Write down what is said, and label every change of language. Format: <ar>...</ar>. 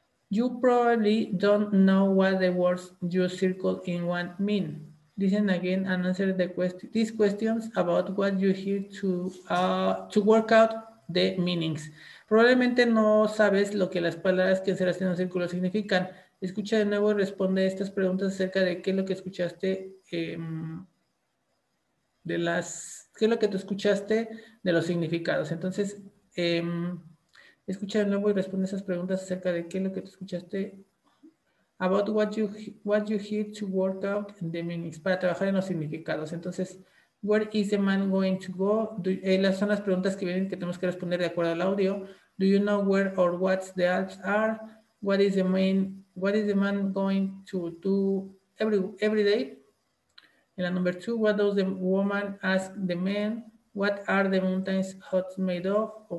<en>You probably don't know what the words you circle in one mean. Listen again and answer these questions about what you hear to work out the meanings.</en> <es>Probablemente no sabes lo que las palabras que encerras en un círculo significan. Escucha de nuevo y responde estas preguntas acerca de qué es lo que escuchaste qué es lo que tú escuchaste de los significados. Entonces, escucha de nuevo y responde esas preguntas acerca de qué es lo que tú escuchaste.</es> <en>About what you hear to work out the meanings,</en> <es>para trabajar en los significados.</es> <en>Entonces, where is the man going to go?</en> <es>Las son las preguntas que vienen que tenemos que responder de acuerdo al audio.</es> <en>Do you know where or what the Alps are? What is the man going to do every day? En la number two, what does the woman ask the man? What are the mountains huts made of?</en>